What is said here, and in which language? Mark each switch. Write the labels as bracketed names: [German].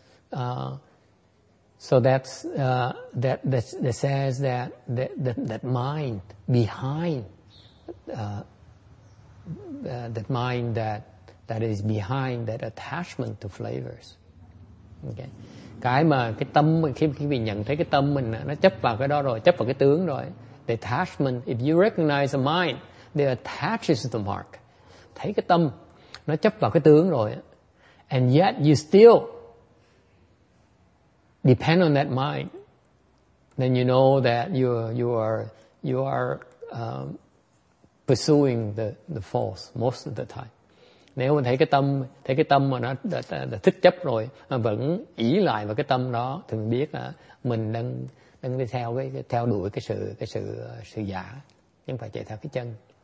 [English] So that's that says that that mind behind that mind that is behind that attachment to flavors. Okay. [Vietnamese] Cái mà cái tâm khi mình nhận thấy cái tâm mình nó chấp vào cái đó rồi, chấp vào cái tướng rồi. [English] The attachment, if you recognize the mind, that attaches to the mark. [Vietnamese] Thấy cái tâm nó chấp vào cái tướng rồi. [English] And yet you still depend on that mind, then you know that you are pursuing the false most of the time. [Vietnamese] Nếu mình thấy cái tâm mà nó đã thích chấp rồi, mà vẫn ỷ lại vào cái tâm đó, thì mình biết là mình đang đi theo cái theo đuổi cái sự giả, nhưng phải chạy theo cái chân.